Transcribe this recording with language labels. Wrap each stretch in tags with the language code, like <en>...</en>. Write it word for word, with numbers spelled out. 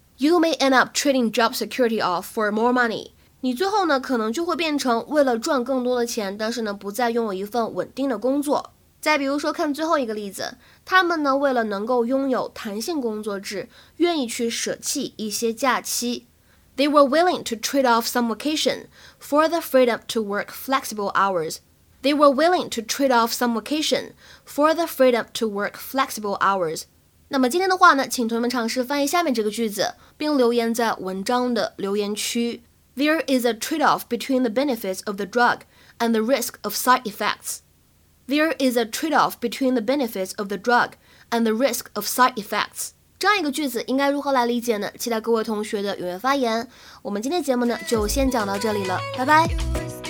<en>You may end up trading job security off for more money.</en> <zh>你最后呢，可能就会变成为了赚更多的钱，但是呢，不再拥有一份稳定的工作。再比如说看最后一个例子，他们呢为了能够拥有弹性工作制，愿意去舍弃一些假期。</zh> <en>They were willing to trade off some vacation for the freedom to work flexible hours. They were willing to trade off some vacation for the freedom to work flexible hours.</en> <zh>那么今天的话呢，请同学们尝试翻译下面这个句子，并留言在文章的留言区。</zh> <en>There is a trade-off between the benefits of the drug and the risk of side effects. There is a trade-off between the benefits of the drug and the risk of side effects.</en> <zh>这样一个句子应该如何来理解呢？期待各位同学的踊跃发言。我们今天节目呢就先讲到这里了，拜拜。</zh>